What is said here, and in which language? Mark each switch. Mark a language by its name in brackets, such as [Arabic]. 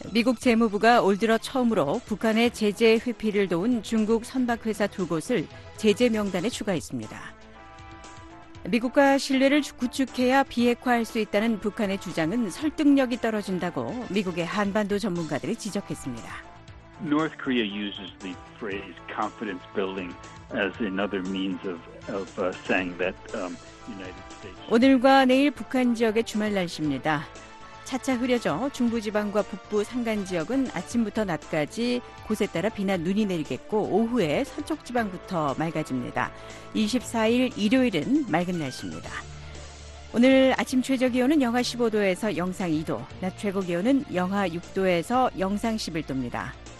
[Korean] 미국 재무부가 올 들어 처음으로 북한의 제재 회피를 도운 중국 선박회사 두 곳을 제재 명단에 추가했습니다. 미국과 신뢰를 구축해야 비핵화할 수 있다는 북한의 주장은 설득력이 떨어진다고 미국의 한반도 전문가들이 지적했습니다. [English] North Korea uses the phrase confidence building as another means of saying that United States. [Korean] 오늘과 내일 북한 지역의 주말 날씨입니다. 차차 흐려져 중부지방과 북부 산간지역은 아침부터 낮까지 곳에 따라 비나 눈이 내리겠고 오후에 서쪽지방부터 맑아집니다. 24일 일요일은 맑은 날씨입니다. 오늘 아침 최저기온은 영하 15도에서 영상 2도, 낮 최고기온은 영하 6도에서 영상 11도입니다.